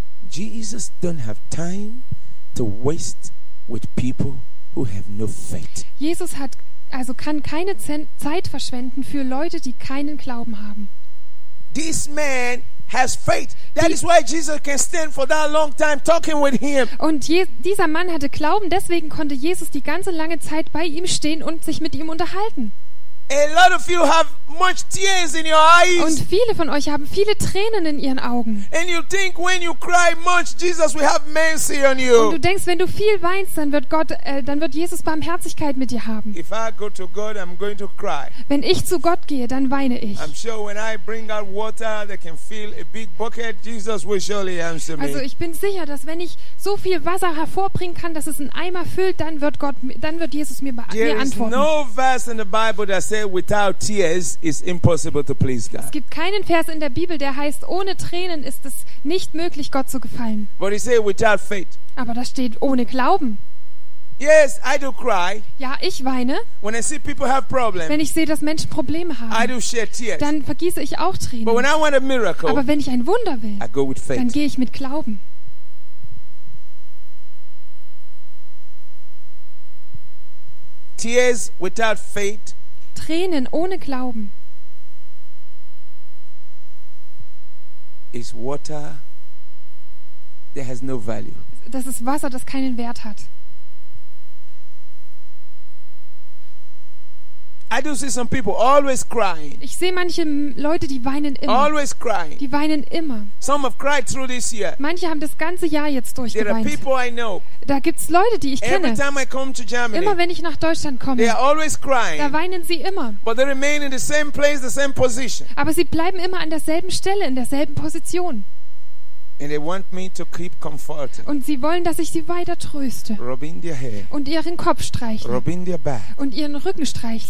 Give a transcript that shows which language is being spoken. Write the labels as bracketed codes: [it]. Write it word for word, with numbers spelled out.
[en] Jesus don't have time to waste with people. who have no faith. [de] Jesus hat, also kann keine Zen-, Zeit verschwenden für Leute, die keinen Glauben haben. [en] This man has faith. That [de] Die- [en] is why Jesus can stand for that long time talking with him. [de] Und Je-, dieser Mann hatte Glauben, deswegen konnte Jesus die ganze lange Zeit bei ihm stehen und sich mit ihm unterhalten. [en] A lot of you have much tears in your eyes. [de] Und viele von euch haben viele Tränen in ihren Augen. [en] And you think when you cry much, Jesus will have mercy on you. [de] Und du denkst, wenn du viel weinst, dann wird Gott, äh, dann wird Jesus Barmherzigkeit mit dir haben. [en] If I go to God, I'm going to cry. [de] Wenn ich zu Gott gehe, dann weine ich. [en] I'm sure when I bring out water, they can fill a big bucket. Jesus will surely answer me. [de] Also ich bin sicher, dass wenn ich so viel Wasser hervorbringen kann, dass es in Eimer füllt, dann wird Gott, dann wird Jesus mir be-, [en] There [de] mir [en] is [de] antworten. [en] no verse in the Bible that says Prayer without tears is impossible to please God. [de] Es gibt keinen Vers in der Bibel, der heißt, ohne Tränen ist es nicht möglich, Gott zu gefallen. [en] But he said, without faith. [de] Aber da steht, ohne Glauben. [en] Yes, I do cry. [de] Ja, ich weine. [en] When I see people have problem, [de] Wenn ich sehe, dass Menschen Probleme haben, [en] I do shed tears. [de] dann vergieße ich auch Tränen. [en] But when I want a miracle, [de] Aber wenn ich ein Wunder will, [en] I go with faith. [de] dann gehe ich mit Glauben. [en] Tears without faith [de] Tränen ohne Glauben. [en] Is water that has no value. [de] Das ist Wasser, das keinen Wert hat. [en] I do see some people always crying. [de] Ich sehe manche M-, Leute, die weinen immer. [en] Always crying. [de] Die weinen immer. [en] Some have cried through this year. [de] Manche haben das ganze Jahr jetzt [en] There are [de] durchgeweint. [en] people I know. [de] Da gibt's Leute, die ich [en] Every [de] kenne. [en] time I come to Germany, [de] Immer wenn ich nach Deutschland komme, [en] they are always crying. [de] da weinen sie immer. [en] But they remain in the same place, the same position. [de] Aber sie bleiben immer an derselben Stelle, in derselben Position. [en] And they want me to keep comforting. [de] Und sie wollen, dass ich sie weiter tröste. [en] Rub in their hair. [de] Und ihren Kopf streichen. [en] Rub in their back. [de] Und ihren Rücken streichen.